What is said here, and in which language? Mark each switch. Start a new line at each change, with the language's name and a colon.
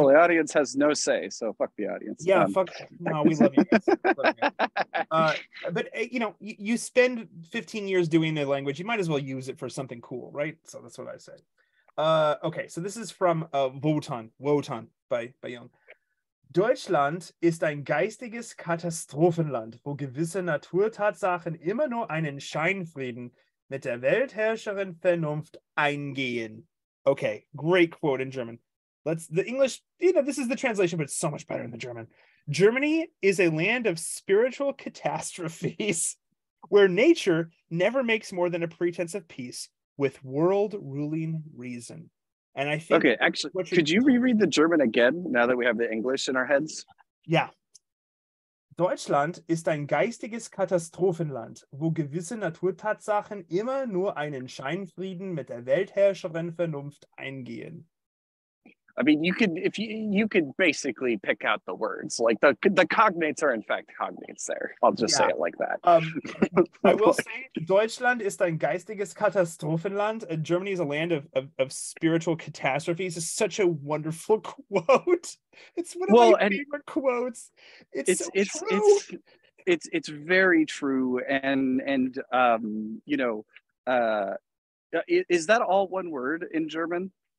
English: Well, the audience has no say, so fuck the audience. Yeah, fuck. No, we love you guys. you spend 15 years doing the language, you might as well use it for something cool, right? So that's what I say. Okay, so this is from Wotan by Jung.
German: Deutschland ist ein geistiges Katastrophenland, wo gewisse Naturtatsachen immer nur einen Scheinfrieden mit der Weltherrscherin Vernunft eingehen.
English: Okay, great quote in German. The English, this is the translation, but it's so much better in the German. Germany is a land of spiritual catastrophes where nature never makes more than a pretense of peace with world ruling reason. And I think. Okay, actually, could you reread the German again now that we have the English in our heads? Yeah.
German: Deutschland ist ein geistiges Katastrophenland, wo gewisse Naturtatsachen immer nur einen Scheinfrieden mit der Weltherrscherin Vernunft eingehen.
English: I mean, you could basically pick out the words. Like the cognates are in fact cognates there. I'll just say it like that. I will say
German: Deutschland ist ein geistiges Katastrophenland.
English: Germany is a land of spiritual catastrophes. It's such a wonderful quote. It's one of my favorite quotes. It's so true. It's, it's very true. And you know, is that all one word in German?